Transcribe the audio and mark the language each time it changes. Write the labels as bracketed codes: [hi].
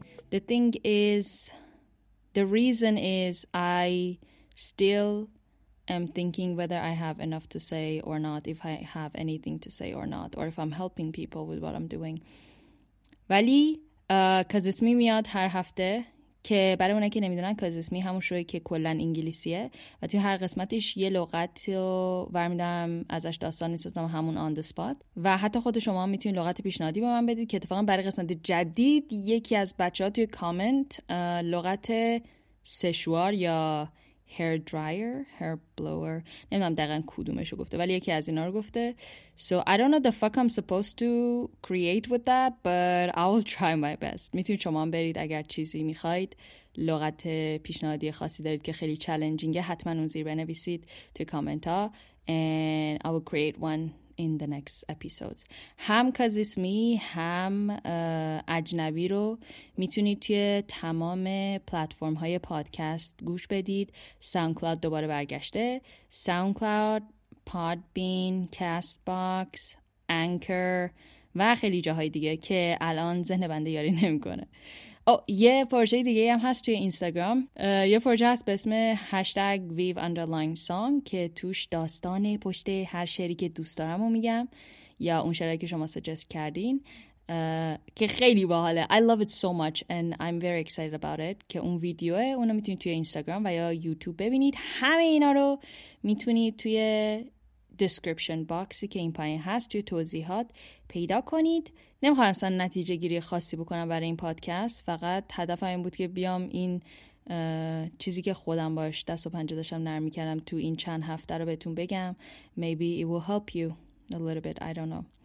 [en] The thing is, the reason is I still am thinking whether I have enough to say or not, if I have anything to say or not, or if I'm helping people with what I'm doing. [fa] ولی کازیسمی میاد هر هفته، که برای اونه که نمیدونن کازیسمی همون شوی که کلن انگلیسیه و توی هر قسمتش یه لغت رو برمیدارم ازش داستان میسازم همون [en] on the spot، [fa] و حتی خود شما هم میتونید لغت پیشنهادی به من بدید، که اتفاقا برای قسمت جدید یکی از بچه ها توی کامنت لغت سشوار یا hair dryer hair blower نمیدونم دقیقا کدومشو گفته، ولی یکی از اینا رو گفته. [en] So I don't know the fuck I'm supposed to create with that, but I will try my best. [fa] میتونید شما هم برید اگر چیزی میخواید، لغت پیشنهادی خاصی دارید که خیلی چالنجینگه، حتما اون زیر بنویسید توی کامنت ها، [en] and I will create one in the next episodes. [fa] هم کازیسمی هم اجنبی رو میتونید توی تمام پلتفرم های پادکست گوش بدید. ساوندکلاود دوباره برگشته، ساوندکلاود، پادبین، کاست باکس، انکر و خیلی جاهای دیگه که الان ذهن بنده یاری نمی کنه. یه پروژه دیگه هم هست توی اینستاگرام، یه پروژه هست به اسم هشتگ ویو اندرلاین سانگ که توش داستان پشت هر شعری که دوست دارم و میگم یا اون شعری که شما سجست کردین که خیلی باحاله. [en] I love it so much and I'm very excited about it. [fa] که اون ویدیوه، اونو میتونید توی اینستاگرام و یا یوتیوب ببینید. همه اینا رو میتونید توی description boxی که این پایین هست توی توضیحات پیدا کنید. نمیخوام اصلا نتیجه گیری خاصی بکنم برای این پادکست، فقط هدفم این بود که بیام این چیزی که خودم باش دست و پنجه داشتم نرم میکردم تو این چند هفته رو بهتون بگم. [en] Maybe it will help you a little bit, I don't know.